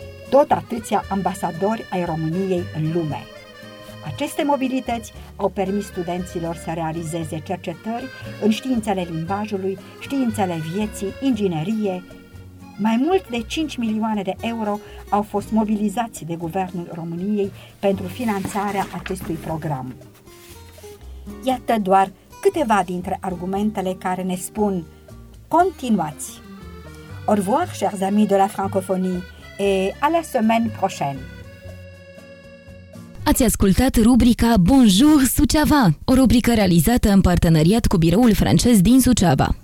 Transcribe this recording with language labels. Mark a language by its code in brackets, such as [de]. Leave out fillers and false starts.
[ro] tot atâția ambasadori ai României în lume. Aceste mobilități au permis studenților să realizeze cercetări în științele limbajului, științele vieții, inginerie. Mai mult de 5 milioane de euro au fost mobilizați de Guvernul României pentru finanțarea acestui program. Iată doar câteva dintre argumentele care ne spun: continuați! [fr] Au revoir, chers amis de la francophonie, et à la semaine prochaine! [ro] Ați ascultat rubrica Bonjour Suceava, o rubrică realizată în parteneriat cu biroul francez din Suceava.